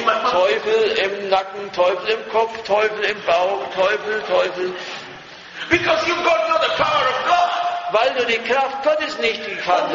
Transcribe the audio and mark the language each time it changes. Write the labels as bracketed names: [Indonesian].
[German] Teufel im Nacken, Teufel im Kopf, Teufel im Bauch, Teufel, Teufel. [English] Because you've got not the power of God. [German] Weil du die Kraft Gottes nicht gekannt